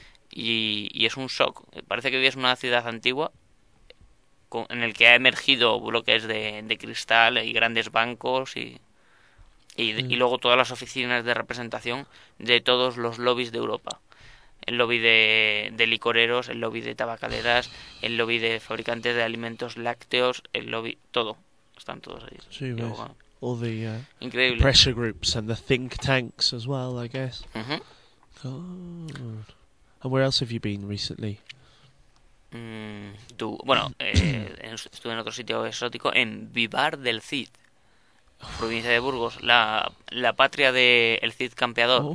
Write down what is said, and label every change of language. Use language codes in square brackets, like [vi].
[es] Y es un shock. Parece que vives en una ciudad antigua en el que ha emergido bloques de cristal y grandes bancos y luego todas las oficinas de representación de todos los lobbies de Europa. El lobby de licoreros, el lobby de tabacaleras, el lobby de fabricantes de alimentos lácteos, el lobby... Todo. Están todos ahí. Sí, ves. [en] All the, [es] increíble. [en] The pressure groups and the think tanks as well, I guess. And where else have you been recently? [es] estuve en otro sitio exótico, en Vivar del Cid, provincia de Burgos, la patria del Cid campeador.